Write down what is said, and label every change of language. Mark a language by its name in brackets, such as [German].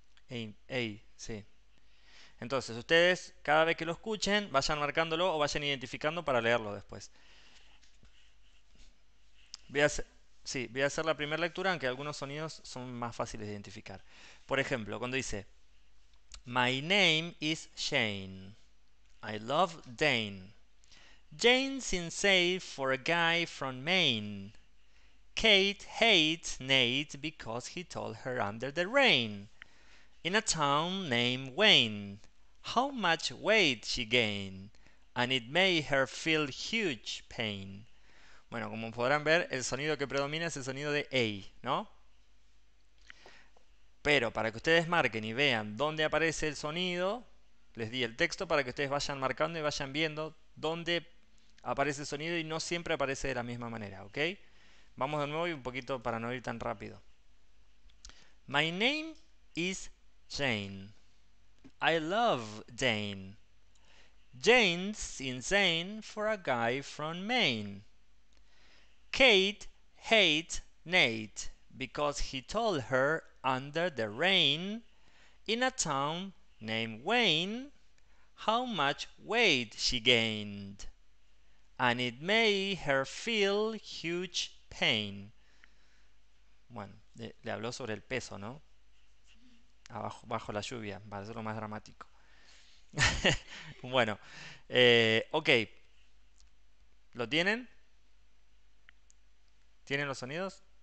[Spanish] EI, sí. Entonces, ustedes, cada vez que lo escuchen, vayan marcándolo o vayan identificando para leerlo después. Voy a hacer la primera lectura, aunque algunos sonidos son más fáciles de identificar. Por ejemplo, cuando dice: [English] My name is Shane. I love Dane. Jane's insane for a guy from Maine. Kate hates Nate because he told her under the rain. In a town named Wayne. How much weight she gained, and it made her feel huge pain. [Spanish] Bueno, como podrán ver, el sonido que predomina es el sonido de EI, ¿no? Pero para que ustedes marquen y vean dónde aparece el sonido, les di el texto para que ustedes vayan marcando y vayan viendo dónde aparece el sonido y no siempre aparece de la misma manera, ¿ok? Vamos de nuevo y un poquito para no ir tan rápido. [English] My name is Jane. I love Dane. Jane's insane for a guy from Maine. Kate hates Nate because he told her under the rain in a town named Wayne how much weight she gained. And it made her feel huge pain. [Spanish] Bueno, le habló sobre el peso, ¿no? Abajo, bajo la lluvia, para hacerlo más dramático. Bueno, ok. ¿Lo tienen? ¿Tienen los sonidos?